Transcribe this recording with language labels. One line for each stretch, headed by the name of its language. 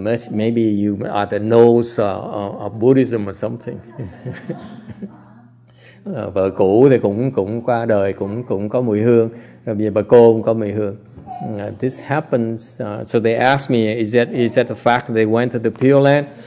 English: Maybe you are the nose of Buddhism or something.
Vietnamese: Bà cụ thì cũng qua đời cũng có mùi hương. Bà cô cũng có mùi hương.
English: This happens. So they asked me, is that the fact they went to the Pure Land?